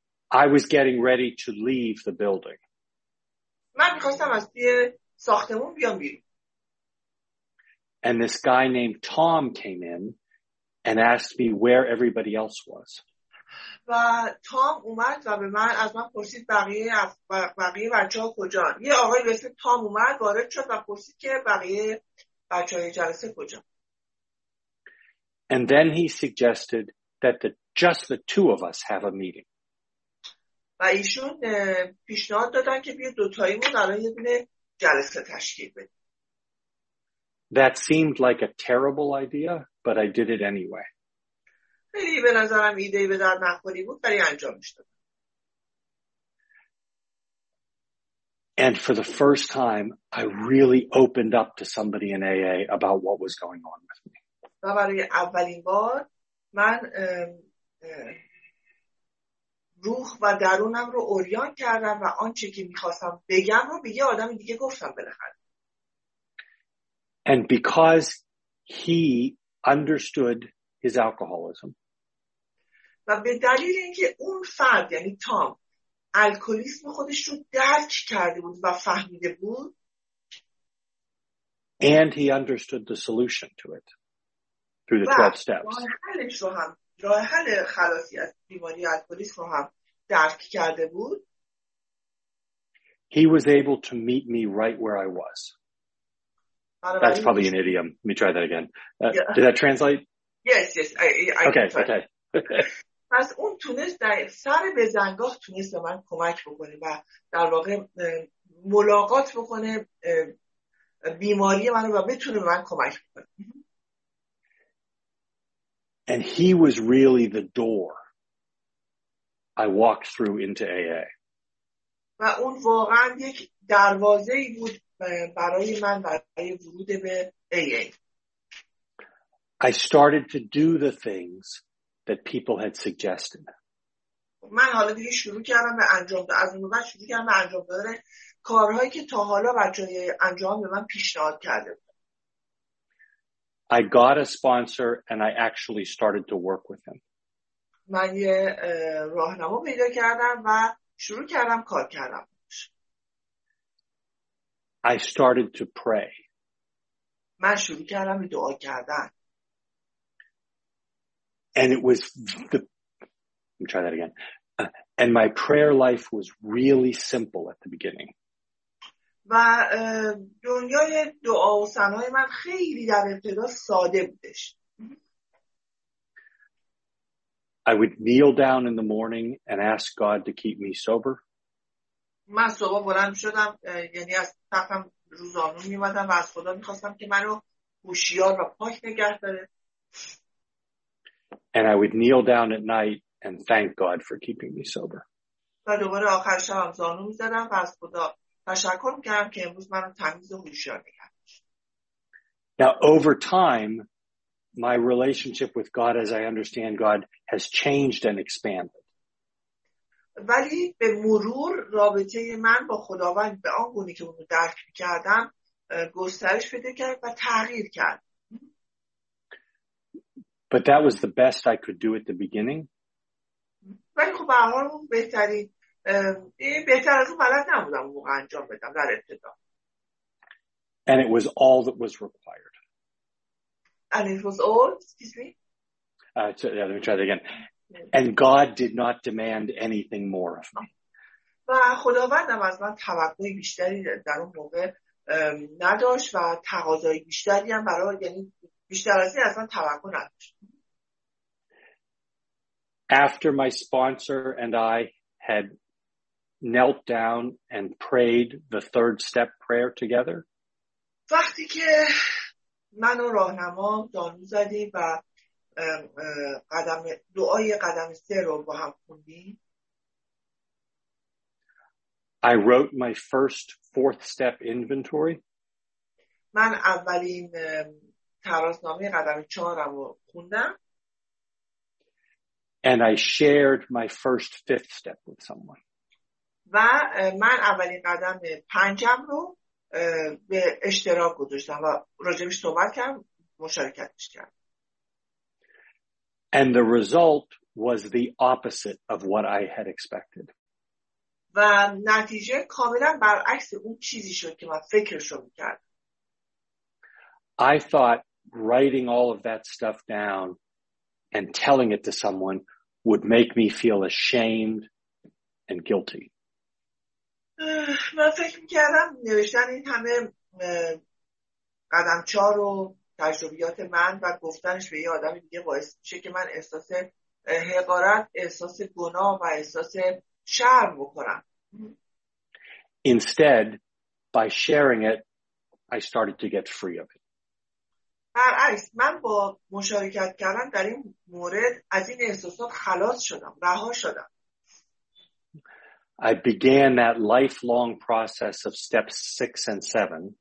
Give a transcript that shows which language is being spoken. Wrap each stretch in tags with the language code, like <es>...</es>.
<en>I was getting ready to leave the building.</en> <fa>من می‌خواستم از توی ساختمون بیام بیرون.</fa> <en>And this guy named Tom came in and asked me where everybody else was.</en> <fa>و تام اومد و به من از من پرسید بقیه بچه‌ها کجان. یه آقای به اسم تام اومد وارد شد و پرسید که بقیه بچه‌های جلسه کجان.</fa> <en>And then he suggested that just the two of us have a meeting.</en> <fa>و ایشون پیشنهاد دادن که بیا دوتاییمون الان یه دونه جلسه تشکیل بدیم.</fa> <en>That seemed like a terrible idea, but I did it anyway.</en> <fa>خیلی به نظرم ایده به درد نخوری بود ولی انجامش دادم.</fa> <en>And for the first time, I really opened up to somebody in AA about what was going on with me.</en> <fa>و برای اولین بار من روح و درونم رو اوریان کردم و آنچه که می‌خواستم بگم رو به یه آدم دیگه گفتم بالاخره.</fa> <en>And because he understood his alcoholism.</en> <fa>و به دلیل اینکه اون فرد یعنی تام الکلیسم خودش رو درک کرده بود و فهمیده بود.</fa> <en>And he understood the solution to it through the 12 steps.</en> <fa>راه حل خلاصی از بیماری الکلیسم رو هم درک کرده بود.</fa> <en>He was able to meet me right where I was. That's probably an idiom. Let me try that again. Yeah. Did that translate? Yes. Okay.</en> <fa>پس اون تونست در سر به زنگاه تونست به من کمک بکنه و در واقع ملاقات بکنه بیماری منو و بتونه به من کمک بکنه.</fa> <en>And he was really the door I walked through into AA.</en> <fa>و اون واقعا یک دروازه ای بود برای من برای ورود به AA.</fa> <en>I started to do the things that people had suggested.</en> <fa>من حالا دیگه شروع کردم به انجام دادن از اون بعد شروع کردم به انجام دادن کارهایی که تا حالا بچه‌ها انجام به من پیشنهاد کرده بودن.</fa> <en>I got a sponsor and I actually started to work with him.</en> <fa>من یه راهنما پیدا کردم و شروع کردم کار کردم.</fa> <en>I started to pray.</en> <fa>من شروع کردم دعا کردن.</fa> <en>And it was let me try that again. And my prayer life was really simple at the beginning.</en> <fa>و دنیای دعا و ثنای من خیلی در ابتدا ساده بودش.</fa> <en>I would kneel down in the morning and ask God to keep me sober.</en> <fa>من صبح بلند شدم یعنی از تختم روزانو میمدم و از خدا میخواستم که منو هوشیار و پاک نگه داره. And I would kneel down at night and thank God for keeping me sober. و دوباره آخر شب هم زانو میزدم و از خدا تشکر میکردم که امروز منو تمیز و هوشیار نگه داشت.</fa> <en>Now over time my relationship with God as I understand God has changed and expanded.</en> <fa>ولی به مرور رابطه من با خداوند به آن گونه که اون رو درک می‌کردم گسترش پیدا کرد و تغییر کرد.</fa> <en>But that was the best I could do at the beginning.</en> <fa>ولی خب به هر حال بهترین بهتر از اون بلد نبودم اون موقع انجام بدم در ابتدا.</fa> <en>And it was all that was required. And it was all, excuse me? Yeah, let me try that again. And God did not demand anything more of me.</en> <fa>و خداوند هم از من توقع بیشتری در اون موقع نداشت و تقاضای بیشتری هم برای یعنی بیشتر از این از من توقع نداشت.</fa> <en>After my sponsor and I had knelt down and prayed the third step prayer together,</en> <fa>وقتی که من و راهنما دانو زدیم و قدم دعای قدم سه رو با هم خوندیم,</fa> <en>I wrote my first fourth step inventory.</en> <fa>من اولین ترازنامه قدم چهارم رو خوندم.</fa> <en>And I shared my first fifth step with someone.</en> <fa>و من اولین قدم پنجم رو به اشتراک گذاشتم و راجعش صحبت کردم, مشارکتش کردم.</fa> <en>And the result was the opposite of what I had expected.</en> <fa>و نتیجه کاملا برعکس اون چیزی شد که من فکرش رو می‌کردم.</fa> <en>I thought writing all of that stuff down and telling it to someone would make me feel ashamed and guilty.</en> <fa>من فکر می‌کردم نوشتن این همه قدم چهار و تجربیات من و گفتنش به یه آدم دیگه باعث میشه که من احساس حقارت, احساس گناه و احساس شرم بکنم.</fa> <en>Instead, by sharing it, I started to get free of it.</en> <fa>برعکس, من با مشارکت کردن در این مورد از این احساسات خلاص شدم, رها شدم.</fa> <en>I began that lifelong process of steps 6 and 7.</en>